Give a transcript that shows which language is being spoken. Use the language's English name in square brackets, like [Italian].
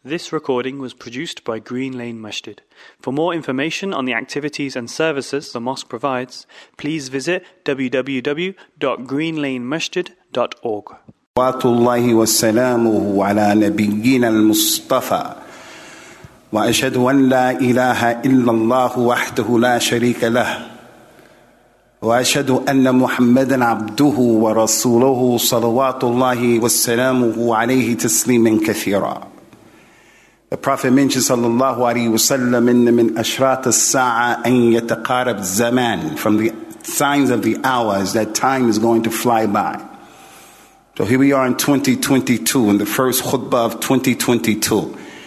[English] This recording was produced by Green Lane Masjid. For more information on the activities and services the mosque provides, please visit www.greenlanemasjid.org. [Arabic] وصلاه وسلامه على نبينا المصطفى واشهد ان لا اله الا الله وحده لا شريك له واشهد ان محمدا عبده ورسوله صلوات الله وسلامه عليه تسليما كثيرا. [English] The Prophet mentioned sallallahu alayhi wa sallam [Arabic] in min ashrat as-sa'a an yataqarab zaman, [English] from the signs of the hours that time is going to fly by. So here we are in 2022, in the first khutbah of 2022.